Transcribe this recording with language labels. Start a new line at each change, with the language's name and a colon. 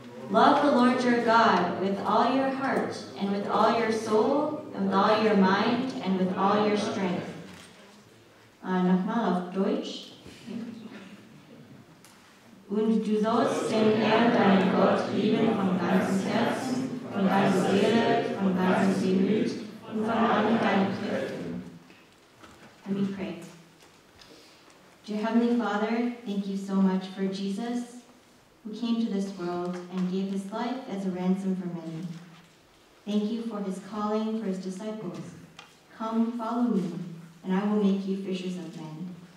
English: Love the Lord your God with all your heart and with all your soul and with all your mind and with all your strength.
German: Nochmal auf Deutsch. Und du sollst den Herrn, deinen Gott, lieben von ganzem Herzen, von ganzer Seele, von ganzem Gemüt und von allen deinen Kräften.
English: Let me pray. Dear Heavenly Father, thank you so much for Jesus, who came to this world and gave his life as a ransom for many. Thank you for his calling for his disciples. Come, follow me, and I will make you fishers of men.